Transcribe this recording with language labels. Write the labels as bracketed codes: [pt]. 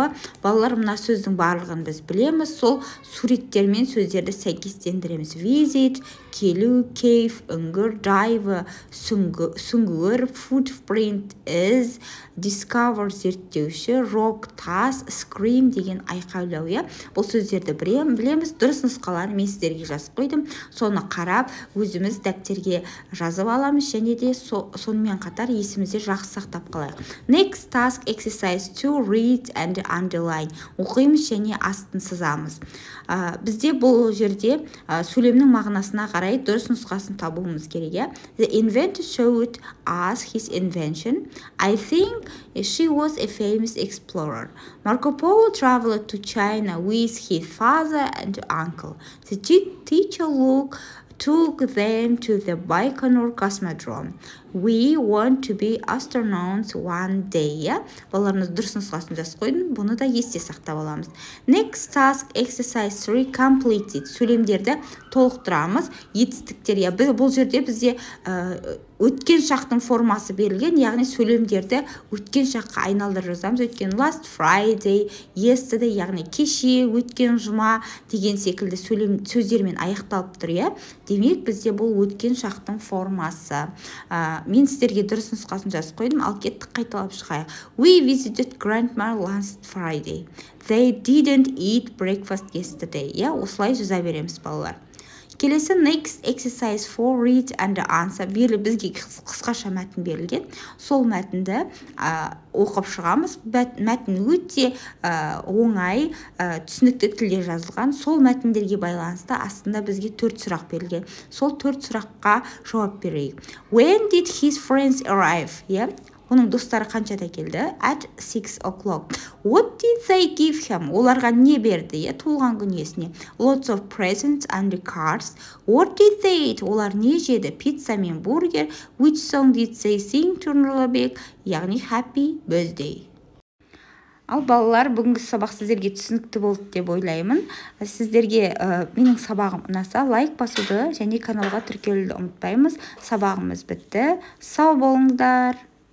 [kk] Балалар, мына сөздің барлығын біз білеміз. Сол суреттермен сөздерді сәйкестендіреміз. Visit, келу, cave, үңгір, dive, сүңгір, footprint, is, discover, зерттеуші, rock, тас, scream деген айқаулау. Бұл сөздерді білеміз. Дұрыс нұсқаларын мен сіздерге жазып қойдым. Соны қарап, өзіміз дәптерге жазып аламыз. Және де сонымен қатар есімізде жақсы сақтап қалайық. [en] Next task, exercise 2, read and underline. [kk] Оқимыз және астын сызамыз. Бізде бұл жерде сөйлемнің мағынасына қарай дұрыс нұсқасын табуымыз керек. [en] The inventor showed us his invention. I think she was a famous explorer. Marco Polo traveled to China with his father and uncle. The teacher took them to the Baikonur Cosmodrome. We want to be astronauts one day. [kk] Балаларымыз дұрыс нұсқасын жазып қойдым. Бұны да есте сақтап аламыз. [en] Next task, exercise 3, completed. [kk] Сөйлемдерді толықтырамыз. Етістіктер. Бұл жерде бізде өткен шақтың формасы берілген. Яғни сөйлемдерді өткен шаққа айналдырып жазамыз. Өткен last Friday, yesterday, яғни кеше, өткен жұма деген секілді сөздермен аяқталып тұр. Демек, бізде бұл өткен шақтың формасы. Мен сіздерге дұрыс нұсқасын жазып қойдым, ал кеттік қайталап шығайық. [en] We visited grandma last Friday. They didn't eat breakfast yesterday. [kk] Осылай жаза береміз, балалар. Келесі [en] next exercise 4, read and answer. [kk] Берілі бізге қысқаша мәтін берілген. Сол мәтінді оқып шығамыз. Мәтін өте оңай түсінікті тілде жазылған. Сол мәтіндерге байланысты астында бізге 4 сұрақ берілген. Сол 4 сұраққа жауап берейік. [en] When did his friends arrive? [kk] Оның достары қаншада келді? [en] At 6 o'clock. What did they give him? [kk] Оларға не берді? Туылған күнесіне. [en] Lots of presents and cards. What did they eat? [kk] Олар не жеді? Pizza мен бургер. [en] Which song did they sing to Нұрлыбек? Яғни happy birthday. [kk] Ал балалар, бүгінгі сабақ сіздерге түсінікті болды деп ойлаймын. Сіздерге менің сабағым ұнаса, лайк басуды және каналға тіркелуді ұмытпаймыз. Сабағымыз бітті. Сау болыңдар!